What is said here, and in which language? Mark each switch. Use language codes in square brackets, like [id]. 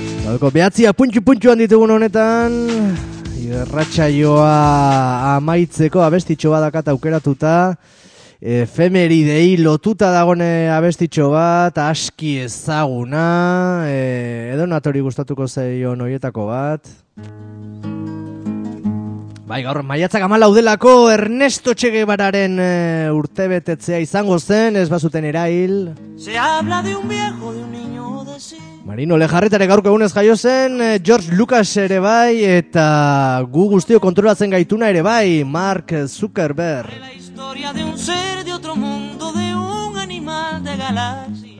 [eu] Gaurko behatzia puntxu-puntxuan ditugun honetan, irratsaioa amaitzeko abestitxo bat dakat aukeratuta, efemeridei lotuta dagone abestitxo bat, aski ezaguna, edonatori gustatuko zaion horietako bat. Bai, gaur maiatzak 14 delako Ernesto Che Guevararen urtebetetzea izango zen, ez bazuten erail. [es] Se habla de un viejo, de un niño, de sí. [eu] Marino Lejarretare gaurko egunez jaio zen, George Lucas ere bai, eta gu guztio kontrolatzen gaituna ere bai, Mark Zuckerberg. [es] La historia de un ser de otro mundo, de un animal de galaxia.